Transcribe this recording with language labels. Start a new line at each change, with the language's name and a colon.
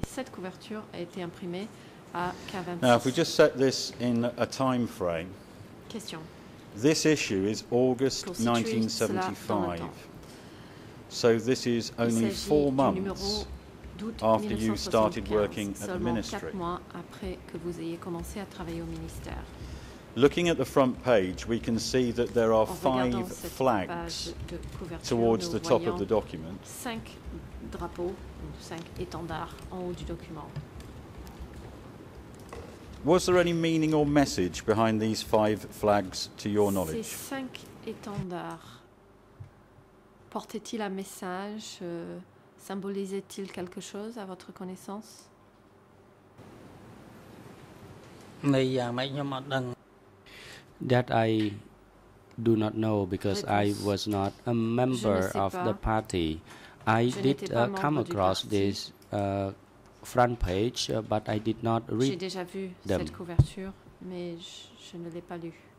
English: K26. Now, if we just set this in a time frame, question. This issue is August 1975. So this is only 4 months after you started working at the ministry.
French: Après que vous ayez commencé à travailler au ministère.
English: Looking at the front page, we can see that there are five flags towards the top of the document.
French: Cinq drapeaux, cinq étendards en haut du document.
English: Was there any meaning or message behind these five flags, to your knowledge?
French: Ces cinq étendards. Portait-il un message, symbolisait-il quelque chose à votre connaissance?
English: That I do not know because I was not a member of the party. I did come across this front page, but I did not read them.
French: J'ai déjà vu cette couverture, mais je ne l'ai pas lue.